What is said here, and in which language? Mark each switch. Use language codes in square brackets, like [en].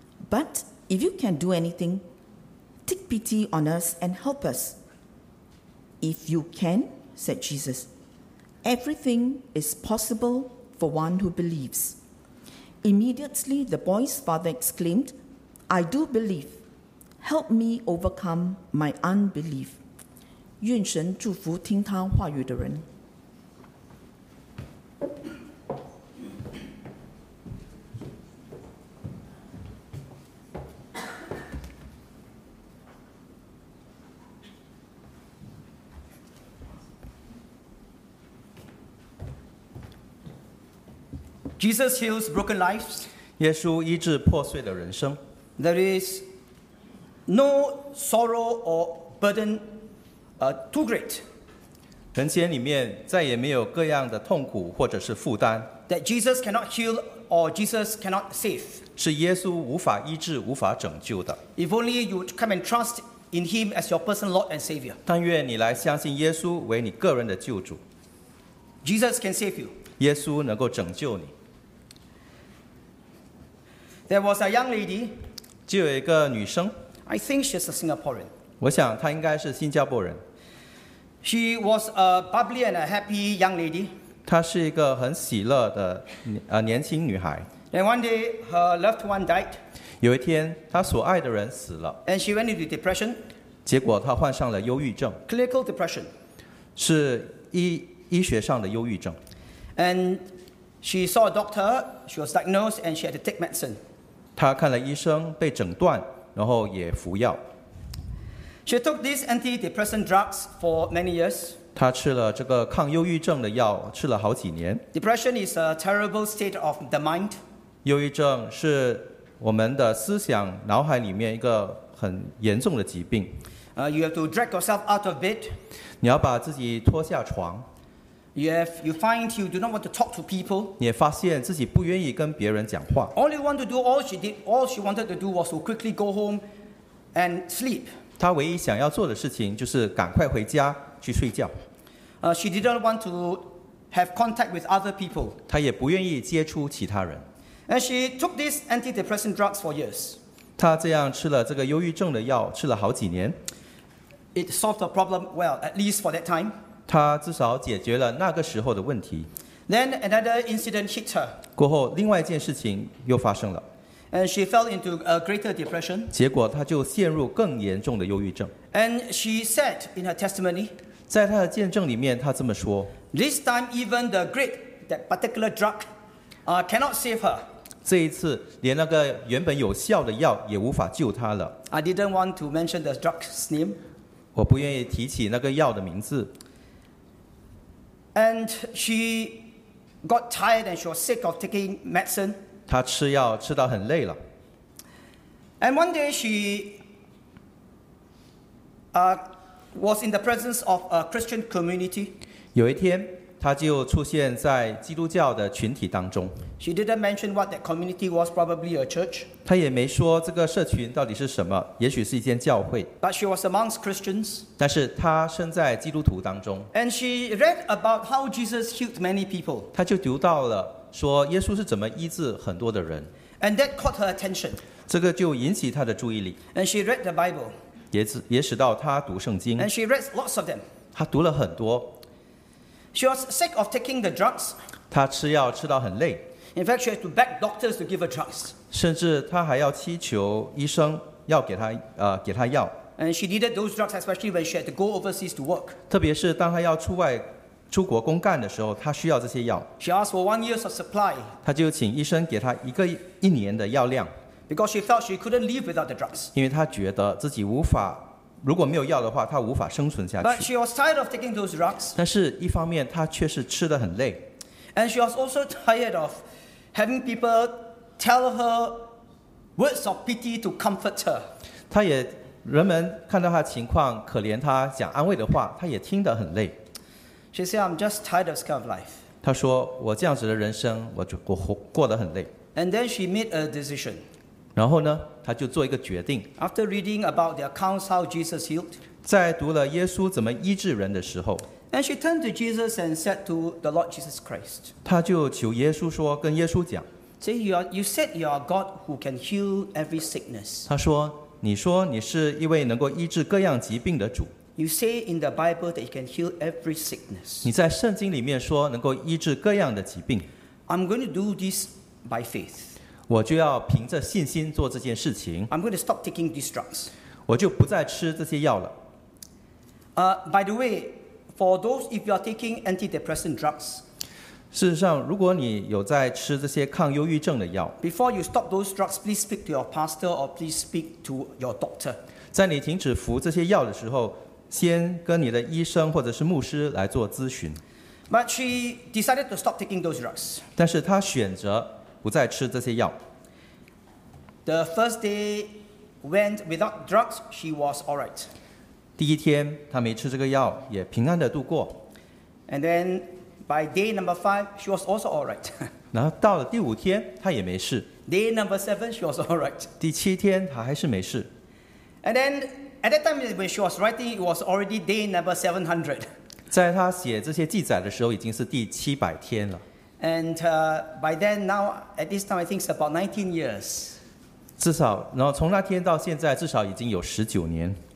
[en] But if you can do anything, take pity on us and help us." "If you can," said Jesus, "everything is possible for one who believes." Immediately the boy's father exclaimed, "I do believe. Help me overcome my unbelief." [zh] 愿神祝福听他话语的人。 [en] Jesus heals broken lives. [zh] 耶稣医治破碎的人生。 [en] There is no sorrow or burden too great. [zh] 人间里面再也没有各样的痛苦或者是负担。 [en] That Jesus cannot heal or Jesus cannot save. [zh] 是耶稣无法医治无法拯救的。 [en] If only you would come and trust in him as your personal Lord and Savior. [zh] 但愿你来相信耶稣为你个人的救主。 [en] Jesus can save you. [zh] 耶稣能够拯救你。 [en] There was a young lady. [zh] 就有一个女生。 [en] I think she's a Singaporean. [zh] 我想她应该是新加坡人。 [en] She was a bubbly and a happy young lady. [zh] 她是一个很喜乐的年轻女孩。 [en] And one day, her loved one died. [zh] 有一天，她所爱的人死了。 [en] And she went into depression. [zh] 结果她患上了忧郁症。 [en] Clinical depression. [zh] 是医学上的忧郁症。 [en] And she saw a doctor. She was diagnosed, and she had to take medicine. [zh] 她看了医生，被诊断，然后也服药。 [en] She took these antidepressant drugs for many years. [zh] 她吃了这个抗忧郁症的药，吃了好几年。 [en] Depression is a terrible state of the mind. [zh] 忧郁症是我们的思想脑海里面一个很严重的疾病。 [en] You have to drag yourself out of bed. [zh] 你要把自己拖下床。 [en] You find you do not want to talk to people. [zh] 你发现自己不愿意跟别人讲话。 [en] All you want to do, all she did, all she wanted to do was to quickly go home and sleep. [zh] 她唯一想要做的事情就是赶快回家去睡觉。 [en] She didn't want to have contact with other people. [zh] 她也不愿意接触其他人。 [en] And she took these antidepressant drugs for years. [zh] 她这样吃了这个忧郁症的药，吃了好几年。 [en] It solved the problem well, at least for that time. [zh] 他至少解决了那个时候的问题。 [en] Then another incident hit her. [zh] 过后，另外一件事情又发生了。 [en] And she fell into a greater depression. [zh] 结果，她就陷入更严重的忧郁症。 [en] And she said in her testimony. [zh] 在她的见证里面，她这么说。 [en] This time, even the great that particular drug cannot save her. [zh] 这一次连那个原本有效的药也无法救她了。 [en] I didn't want to mention the drug's name. [zh] 我不愿意提起那个药的名字。 [en] And she got tired and she was sick of taking medicine. [zh] 她吃药吃到很累了。 [en] And one day she was in the presence of a Christian community. [zh] 有一天她就出现在基督教的群体当中。 [en] She didn't mention what that community was, probably a church. [zh] 她也没说这个社群到底是什么，也许是一间教会。 [en] But she was amongst Christians. [zh] 但是她身在基督徒当中。 [en] And she read about how Jesus healed many people. [zh] 她就读到了说耶稣是怎么医治很多的人。 [en] And that caught her attention. [zh] 这个就引起她的注意力。 [en] And she read the Bible. [zh] 也使到她读圣经。 [en] And she read lots of them. [zh] 她读了很多。 [en] She was sick of taking the drugs. [zh] 她吃药吃到很累。 [en] In fact, she had to beg doctors to give her drugs. [zh] 甚至她还要祈求医生要给她给她药。 [en] And she needed those drugs, especially when she had to go overseas to work. [zh] 特别是当她要出国公干的时候，她需要这些药。 [en] She asked for 1 year's of supply. [zh] 她就请医生给她一年的药量。 [en] Because she felt she couldn't live without the drugs. [zh] 因为她觉得自己无法，如果没有药的话，她无法生存下去。 [en] But she was tired of taking those drugs. [zh] 但是一方面她却是吃得很累。 [en] And she was also tired of having people tell her words of pity to comfort her. [zh] 她也，人们看到她情况，可怜她，讲安慰的话，她也听得很累。 [en] She said, "I'm just tired of this kind of life." [zh] 她说，我这样子的人生，我过得很累。 [en] And then she made a decision. [zh] 然后呢，她就做一个决定。 [en] After reading about the accounts how Jesus healed, [zh] 在读了耶稣怎么医治人的时候。 [en] And she turned to Jesus and said to the Lord Jesus Christ. [zh] 她就求耶稣说，跟耶稣讲。 [en] Say you said you are God who can heal every sickness. [zh] 她说，你说你是一位能够医治各样疾病的主。 [en] You say in the Bible that you can heal every sickness. [zh] 你在圣经里面说能够医治各样的疾病。 [en] I'm going to do this by faith. [zh] 我就要凭着信心做这件事情。 [en] I'm going to stop taking these drugs. [zh] 我就不再吃这些药了。 [en] By the way. For those, if you are taking antidepressant drugs, [zh] 事实上，如果你有在吃这些抗忧郁症的药 [en] ，before you stop those drugs, please speak to your pastor or please speak to your doctor. [zh] 在你停止服这些药的时候，先跟你的医生或者是牧师来做咨询。 [en] But she decided to stop taking those drugs. [zh] 但是她选择不再吃这些药。 [en] The first day went without drugs. She was all right. [zh] 第一天，她没吃这个药，也平安的度过。 [en] And then, by day number 5, she was also all right. [zh] 然后到了第五天，她也没事。 [en] Day number 7, she was all right. [zh] 第七天，她还是没事。 [en] And then, at that time when she was writing, it was already day number 700. [zh] 在她写这些记载的时候，已经是第700天了。 [en] And by then, now, at this time, I think it's about 19 years. [zh] 至少，然后从那天到现在，至少已经有19年。